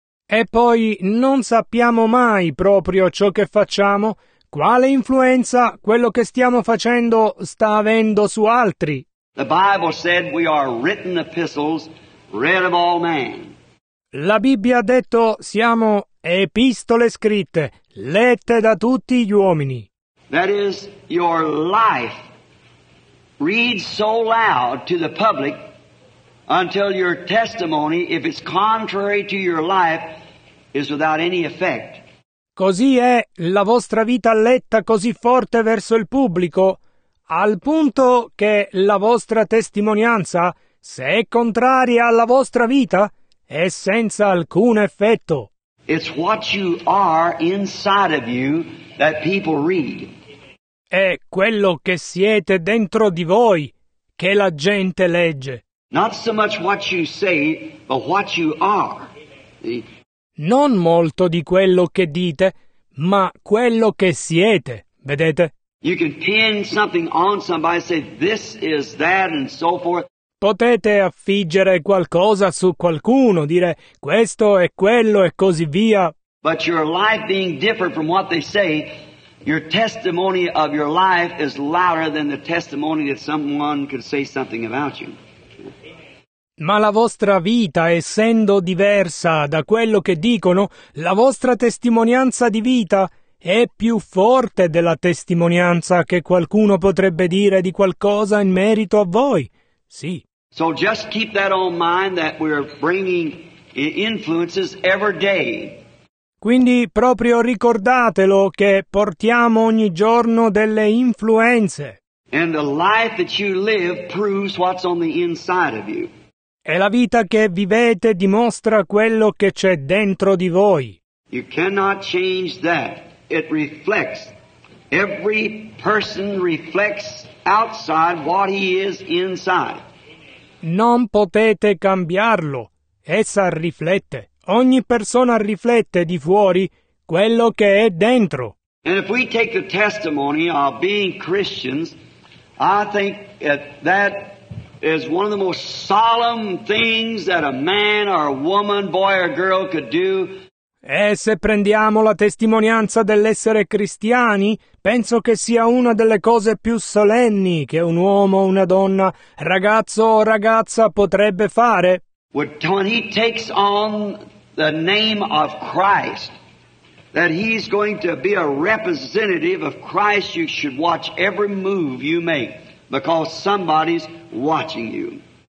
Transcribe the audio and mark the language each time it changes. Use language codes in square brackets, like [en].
[it] E poi non sappiamo mai proprio ciò che facciamo, quale influenza quello che stiamo facendo sta avendo su altri. [en] The Bible said we are written epistles read of all men. [it] La Bibbia ha detto siamo epistole scritte, lette da tutti gli uomini. [en] That is, your life reads so loud to the public until your testimony, if it's contrary to your life, is without any effect. [it] Così è la vostra vita letta così forte verso il pubblico, al punto che la vostra testimonianza, se è contraria alla vostra vita, è senza alcun effetto. [en] It's what you are inside of you that people read. [it] È quello che siete dentro di voi che la gente legge. [en] Not so much what you say, but what you are. [it] Non molto di quello che dite, ma quello che siete, vedete? [en] You can pin something on somebody, say this is that and so forth. [it] Potete affiggere qualcosa su qualcuno, dire questo è quello e così via. [en] But your life being different from what they say, your testimony of your life is louder than the testimony that someone could say something about you. [it] Ma la vostra vita, essendo diversa da quello che dicono, la vostra testimonianza di vita è più forte della testimonianza che qualcuno potrebbe dire di qualcosa in merito a voi. Sì. [en] So just keep that on mind that we're bringing influences every day. [it] Quindi proprio ricordatelo che portiamo ogni giorno delle influenze. [en] And the life that you live proves what's on the inside of you. [it] E la vita che vivete dimostra quello che c'è dentro di voi. [en] You cannot change that. It reflects. Every person reflects outside what he is inside. [it] Non potete cambiarlo. Essa riflette. Ogni persona riflette di fuori quello che è dentro. [en] And if we take the testimony of being Christians, I think that is one of the most solemn things that a man or a woman, boy or girl could do. [it] E se prendiamo la testimonianza dell'essere cristiani, penso che sia una delle cose più solenni che un uomo, una donna, ragazzo o ragazza potrebbe fare. [en] When he takes on the name of Christ, that he's going to be a representative of Christ, you should watch every move you make. Because somebody's watching you.